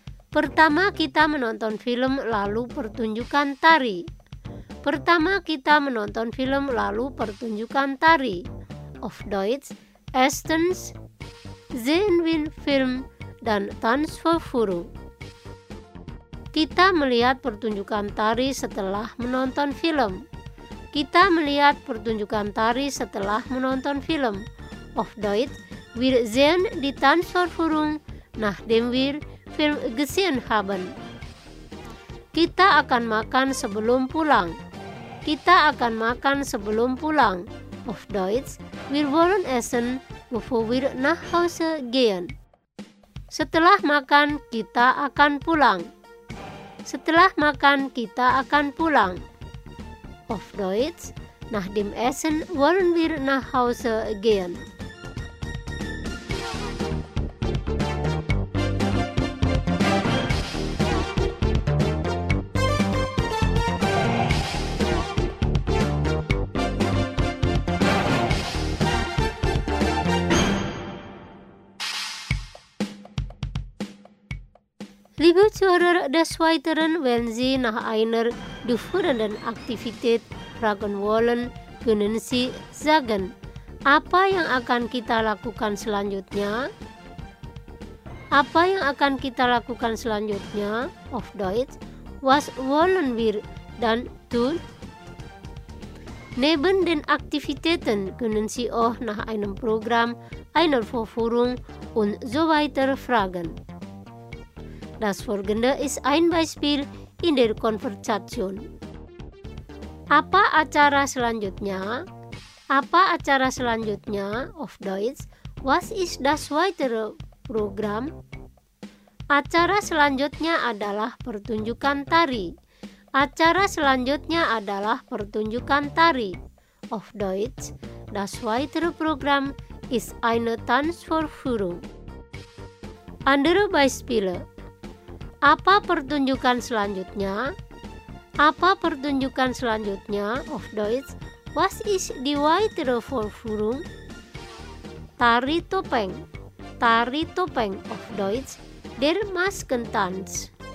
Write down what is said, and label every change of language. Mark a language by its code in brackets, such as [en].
[id] Pertama, kita menonton film lalu pertunjukan tari. Pertama, kita menonton film lalu pertunjukan tari. [de] Auf Deutsch, erstens sehen wir Film dan Tanz vor Furu. [id] Kita melihat pertunjukan tari setelah menonton film. Kita melihat pertunjukan tari setelah menonton film. [de] Auf Deutsch, wir sehen die Tanzvorführung, nachdem wir Film gesehen haben. [id] Kita akan makan sebelum pulang. Kita akan makan sebelum pulang. [de] Auf Deutsch, wir wollen essen, bevor wir nach Hause gehen. [id] Setelah makan, kita akan pulang. Setelah makan, kita akan pulang. [de] Auf Deutsch, nach dem Essen wollen wir nach Hause gehen. Liebe Zuhörer des Weiteren, wenn Sie nach einer durchführenden Aktivität fragen wollen, können Sie sagen, [id] apa yang akan kita lakukan selanjutnya? Apa yang akan kita lakukan selanjutnya? [de] Auf Deutsch, was wollen wir dann tun? Neben den Aktivitäten können Sie auch nach einem Programm, einer Vorführung und so weiter fragen. Das folgende ist ein Beispiel in der Konversation. [id] Apa acara selanjutnya? Apa acara selanjutnya? [de] Auf Deutsch, was ist das weitere Programm? [id] Acara selanjutnya adalah pertunjukan tari. Acara selanjutnya adalah pertunjukan tari. [de] Auf Deutsch, das weitere Programm ist eine Tanzvorführung. Andere Beispiele. [id] Apa pertunjukan selanjutnya? Apa pertunjukan selanjutnya? [de] Auf Deutsch, was ist die weitere Vorführung? [id] Tari topeng. Tari topeng. [de] Auf Deutsch, der Maskentanz.